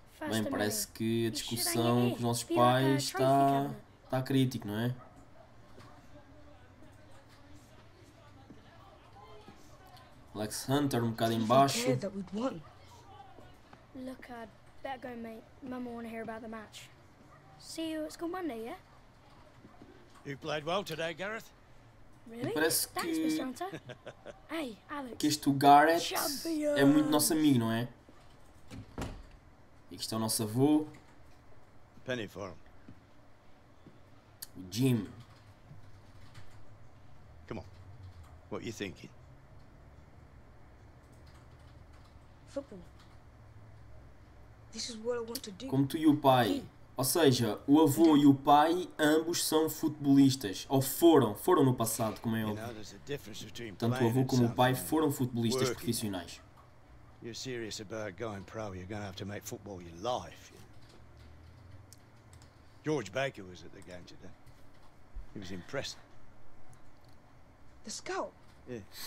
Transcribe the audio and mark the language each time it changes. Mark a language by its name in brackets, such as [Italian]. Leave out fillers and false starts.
[Portuguese] Bem, parece que a discussão com os nossos pais está crítico, não é? Alex Hunter um bocado em baixo. [English] Look, I'd better go, mate. Mama wanna hear about the match. See you at school Monday, yeah? You played well today, Gareth. Really? [Portuguese] Parece que [English] Thanks, hey, Alex. [Portuguese] Que este o Gareth Champions. É muito nosso amigo, não é? E aqui está o nosso avô. [English] Penny for him. [Portuguese] O Jim. [English] Come on. What are you thinking? Football. This is what I want to do. [Portuguese] Como tu e o pai. [English] Hey. [Portuguese] Ou seja, o avô e o pai ambos são futebolistas. Ou foram no passado, como é óbvio. Tanto o avô como o pai foram futebolistas profissionais. [English] George Baker was at the game today. He was impressive. The scout? Yeah.